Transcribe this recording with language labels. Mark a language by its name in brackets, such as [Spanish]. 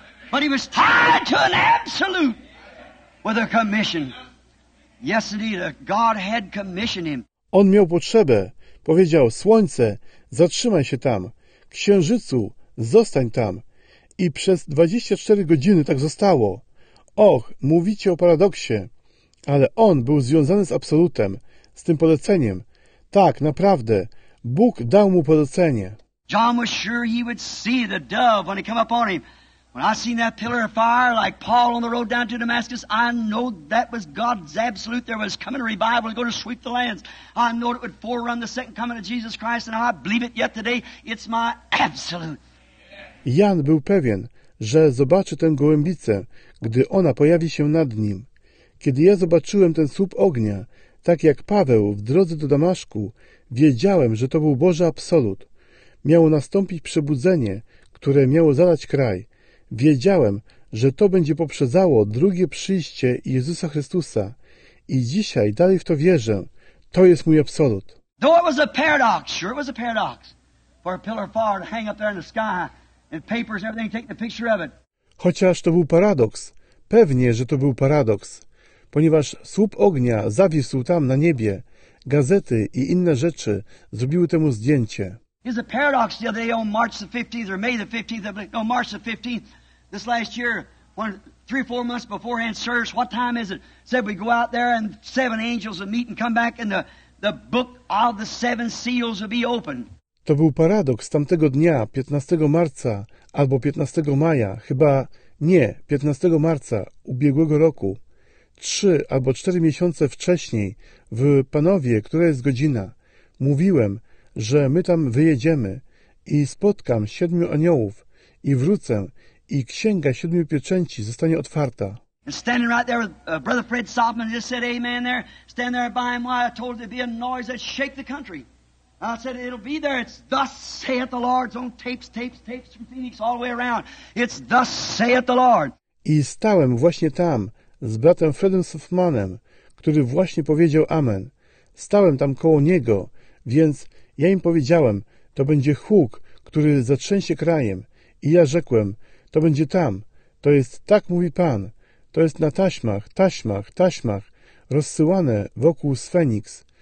[English] But he was tied to an absolute with a commission. Yes, indeed, God had commissioned him. [Polish] On miał potrzebę. Powiedział, słońce, zatrzymaj się tam. Księżycu, zostań tam. I przez 24 godziny tak zostało. Och, mówicie o paradoksie. Ale on był związany z absolutem, z tym poleceniem. Tak, naprawdę, Bóg dał mu polecenie. [English] John was sure he would see the dove when it came upon him. When I seen that pillar of fire like Paul on the road down to Damascus, I know that was God's absolute. There was coming a revival going to sweep the lands. I know it would forerun the second coming of Jesus Christ, and I believe it yet today. It's my absolute. [Polish] Jan był pewien, że zobaczy tę gołębicę, gdy ona pojawi się nad nim. Kiedy ja zobaczyłem ten słup ognia, tak jak Paweł w drodze do Damaszku, wiedziałem, że to był Boży absolut. Miało nastąpić przebudzenie, które miało zalać kraj. Wiedziałem, że to będzie poprzedzało drugie przyjście Jezusa Chrystusa i dzisiaj dalej w to wierzę. To jest mój absolut. [English] Though it was a paradox, sure it was a paradox, for a pillar of fire to hang up there in the sky and papers and everything taking a picture of it. [Polish] Chociaż to był paradoks, pewnie, że to był paradoks, ponieważ słup ognia zawisł tam na niebie, gazety i inne rzeczy zrobiły temu zdjęcie. [English] Is a paradox the other day on March the 15th or May the 15th, I believe, no, March the 15th, this last year, one, three or four months beforehand, service, what time is it? Said we go out there and seven angels will meet and come back and the book of the seven seals will be opened. [Polish] To był paradoks tamtego dnia, 15 marca albo 15 maja, chyba nie, 15 marca ubiegłego roku, 3 albo 4 miesiące wcześniej, w Panowie, która jest godzina, mówiłem, że my tam wyjedziemy i spotkam siedmiu aniołów i wrócę i księga siedmiu pieczęci zostanie otwarta. [English] And standing right there with Brother Fred Sopman just said amen there. Stand there by him while I told him there'd be a noise that shake the country. I said it'll be there. It's thus saith the Lord. It's on tapes from Phoenix all the way around. It's thus saith the Lord. [Polish] I stałem właśnie tam z bratem Fredem Sopmanem, który właśnie powiedział amen. Stałem tam koło niego, więc ja im powiedziałem, to będzie huk, który zatrzęsie krajem. I ja rzekłem, to będzie tam. To jest, tak mówi Pan, to jest na taśmach, rozsyłane wokół Sfenix.